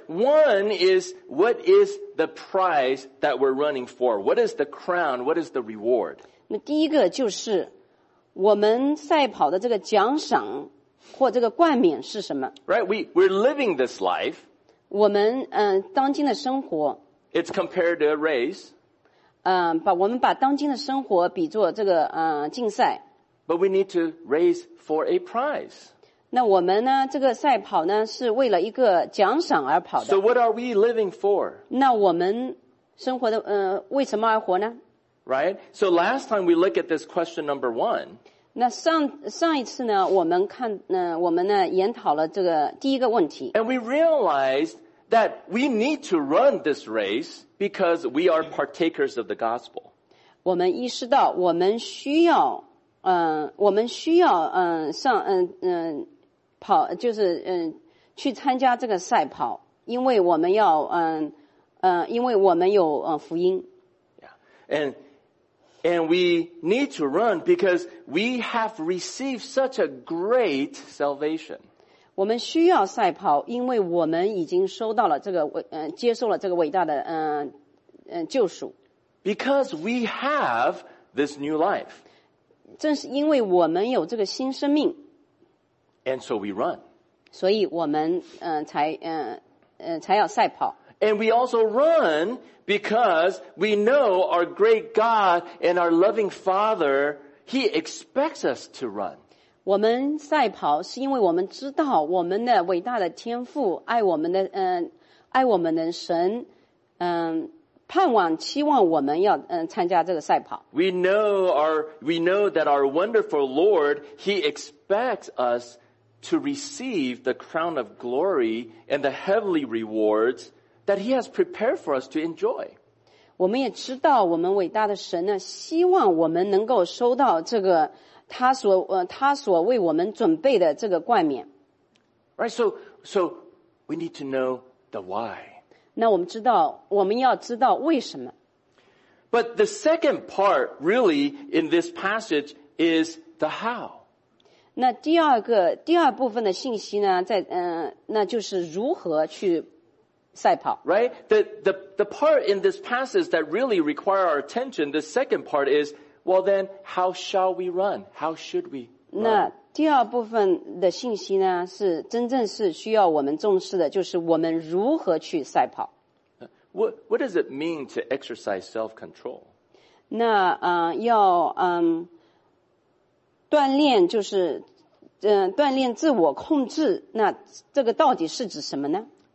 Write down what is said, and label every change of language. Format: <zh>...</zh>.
<en>One is, what is the prize that we're running for? What is the crown? What is the reward?</en> <zh>那第一个就是我们赛跑的这个奖赏或这个冠冕是什么？</zh> <en>Right? We're living this life.</en> <zh>我们当今的生活</zh> <en>It's compared to a race.</en> <zh>我们把当今的生活比作这个竞赛。</zh> <en>But we need to race for a prize.</en> <zh>那我们呢这个赛跑呢是为了一个奖赏而跑的。</zh> <en>So what are we living for?</en> <zh>那我们生活的为什么而活呢</zh> <en>Right? So last time we look at this question number one.</en> <zh>那上一次呢我们看我们呢研讨了这个第一个问题。</zh> <en>And we realized that we need to run this race because we are partakers of the gospel.</en> <zh>我们意识到我们需要跑就是去参加这个赛跑因为我们要因为我们有福音。</zh> <en>Yeah. And we need to run because we have received such a great salvation.</en> <zh>我们需要赛跑因为我们已经收到了这个接受了这个伟大的救赎。</zh> <en>Because we have this new life.</en> <zh>正是因为我们有这个新生命。</zh> <en>And so we run.</en> <zh>所以我们才要赛跑。</zh> <en>And we also run because we know our great God and our loving Father, He expects us to run.</en> <zh>我们赛跑是因为我们知道我们的伟大的天父爱我们的爱我们的神盼望期望我们要参加这个赛跑。</zh> <en>We know that our wonderful Lord, He expects us to receive the crown of glory and the heavenly rewards that he has prepared for us to enjoy.</en> <zh>我们也知道我们伟大的神呢希望我们能够收到这个他所为我们准备的这个冠冕。</zh> <en>Right, so we need to know the why.</en> <zh>那我们知道我们要知道为什么。</zh> <en>But the second part really in this passage is the how.</en> <zh>那第二部分的信息呢在那就是如何去赛跑</zh> <en>right? The part in this passage that really requires our attention, the second part is, well then, how shall we run? How should we run?</en> <zh>那第二部分的信息呢是真正是需要我们重视的就是我们如何去赛跑。</zh> <en>What does it mean to exercise self-control?</en> <zh>那要锻炼就是锻炼自我控制，那这个到底是指什么呢？</zh>